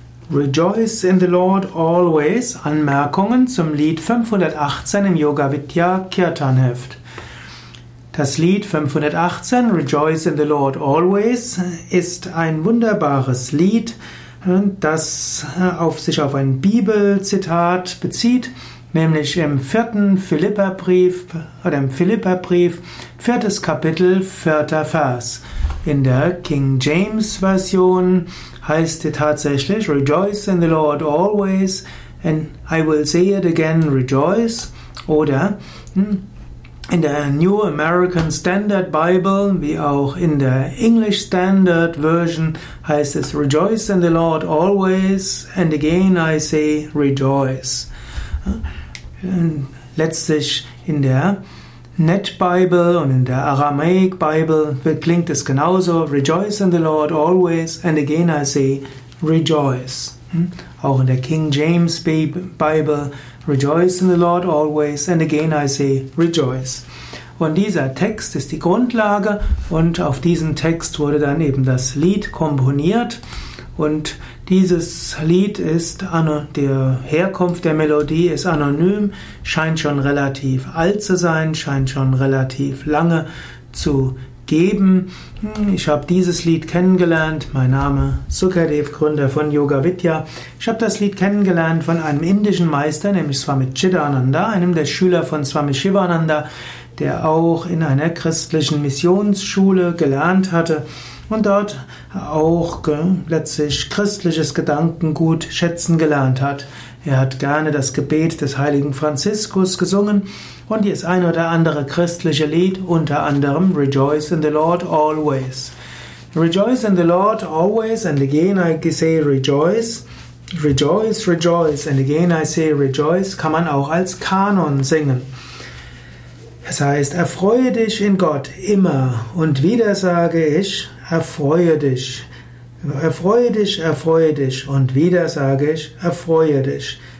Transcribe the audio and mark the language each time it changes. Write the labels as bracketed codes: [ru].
[en] Rejoice in the Lord always. [de] Anmerkungen zum Lied 518 im Yoga Vidya Kirtan Heft. Das Lied 518, Rejoice in the Lord always, ist ein wunderbares Lied, das sich auf ein Bibelzitat bezieht, nämlich im 4. Philipperbrief oder im Philipperbrief, 4. Kapitel, 4. Vers. In der King James Version heißt es tatsächlich [en] Rejoice in the Lord always and I will say it again, rejoice. [de] Oder in der New American Standard Bible, wie auch in der English Standard Version, heißt es [en] Rejoice in the Lord always and again I say rejoice. [de] Letztlich in der Net Bible und in der Aramaic Bible klingt es genauso. [en] Rejoice in the Lord always and again I say rejoice. [de] Auch in der [en] King James Bible, rejoice in the Lord always and again I say rejoice. [de] Und dieser Text ist die Grundlage und auf diesen Text wurde dann eben das Lied komponiert. Und dieses Lied ist, die Herkunft der Melodie ist anonym, scheint schon relativ alt zu sein, scheint schon relativ lange zu geben. Ich habe dieses Lied kennengelernt, mein Name Sukadev, Gründer von Yoga Vidya. Ich habe das Lied kennengelernt von einem indischen Meister, nämlich Swami Chidananda, einem der Schüler von Swami Shivananda, der auch in einer christlichen Missionsschule gelernt hatte. Und dort auch letztlich christliches Gedankengut schätzen gelernt hat. Er hat gerne das Gebet des heiligen Franziskus gesungen und das ein oder andere christliche Lied, unter anderem Rejoice in the Lord always. [en] Rejoice in the Lord always and again I say rejoice. Rejoice, rejoice and again I say rejoice [de] kann man auch als Kanon singen. Es heißt, erfreue dich in Gott immer und wieder sage ich, erfreue dich, erfreue dich, erfreue dich und wieder sage ich, erfreue dich.